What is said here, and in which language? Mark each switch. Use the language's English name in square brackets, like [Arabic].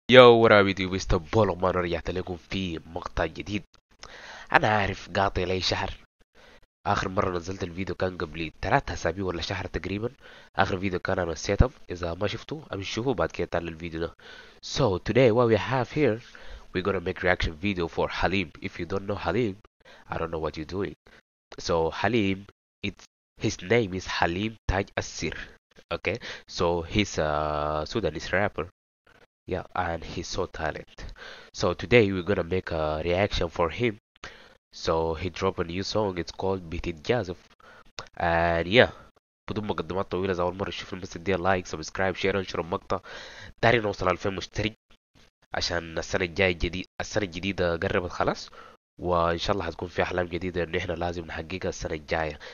[Arabic] يو ورا فيديو مستر بولو مان، رجعت لكم في مقطع جديد. انا عارف قاطي لي شهر، اخر مره نزلت الفيديو كان قبل 3 اسابيع ولا شهر تقريبا. اخر فيديو كان عن السيت اب، اذا ما شفتوه امشوه بعد كده تعال الفيديو ده. [English] So today what we have here, we're gonna make reaction video for Halim. If you don't know Halim, I don't know what you're doing. So Halim, his name is Halim Taj Asir. Okay, so he's a Sudanese rapper. Yeah, and he's so talented. So today we're gonna make a reaction for him. So he dropped a new song. It's called Bitit Jazuf. [Arabic] And yeah, بدون مقدمات طويلة، إذا أول مرة تشوف المسج دي لايك سبسكرايب شير انشر المقطع. داري نوصل على 2000 مشترك عشان السنة الجاية الجديدة. السنة الجديدة قربت خلاص، وإن شاء الله هتكون في أحلام جديدة إن إحنا لازم نحققها السنة الجاية.